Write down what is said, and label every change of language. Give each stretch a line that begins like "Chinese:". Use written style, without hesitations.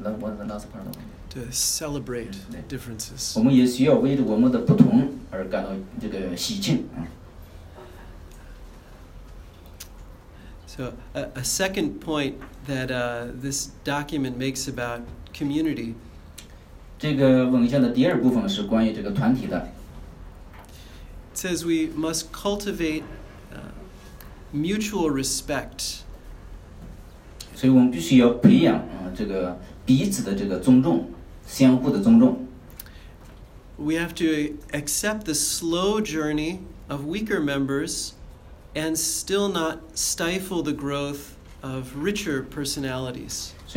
Chinese: 随着这个文献，就是说团体生活当中的友谊，这个文献呢也提醒我们，我们对这个生活，那我那是不知道。
English: To celebrate differences.
Chinese: 我们也需要为我们的不同而感到这个喜庆。So
English: a second point that this document makes about community.
Chinese: 这个文献的第二部分是关于这个团体的。
English: It says we must cultivate mutual respect.
Chinese: 所以我们必须要培养这个彼此的这个尊重，相互的尊重。
English: We have to accept the slow journey of weaker members and still not stifle the growth of richer personalities.